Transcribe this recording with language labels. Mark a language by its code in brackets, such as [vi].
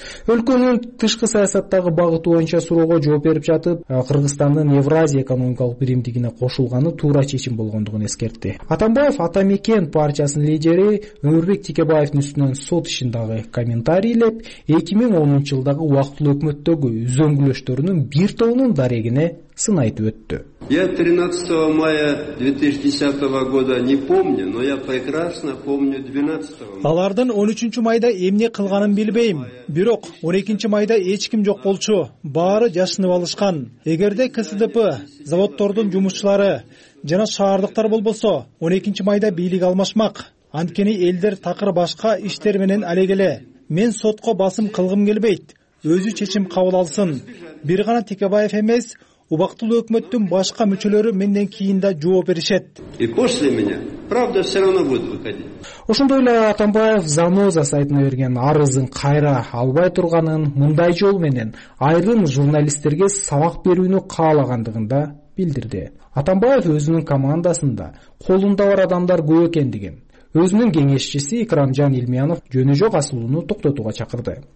[ky] Өлкөнүн тышкы саясаттагы багыты боюнча суроого жооп берип жатып, Кыргызстандын Евразия экономикалык биримдигине кошулганы туура чечим болгондугун эскертти. Атамбаев Ата Мекен партиясынын лидери Өмүрбек Текебаевдин үстүнөн сот ишиндеги комментарийлеп, 2010 жылдагы убактылуу өкмөттөгү үзөңгүлөштөрүнүн бир тобунун дарегине сын айтып өттү. [ru] Я 13 мая 2010 года не помню, но я прекрасно помню 12 мая. [ky] Алардын 13 майда эмне кылганын билбейм. Бирок 12 майда эч ким жок болчу. Баары жашынып алышкан. Эгерде КСДП, заводтордун жумушчулары жана шаардыктар болбосо, 12 майда бийлик алмашмак. Анткени элдер такыр башка иштер менен алегеле. Мен сотко басым кылгым келбейт. Өзү чечим кабыл алсын. Бир гана Текебаев эмес, убактылуу өкмөттүн башка мүчөлөрү менден кийин да жооп беришет. [ru] И после меня правда все равно будет выходить. [ky] Ошондой эле Атамбаев Заноза сайтына берген арызын кайра албай турганын, мындай жол менен айрым журналисттерге сабак берүүнү каалагандыгын да билдирди. Атамбаев өзүнүн командасында колунда бар адамдар көп экендигин, өзүнүн кеңешчиси Икрамжан Илмиянов жөнү жок асылууну токтотууга чакырды.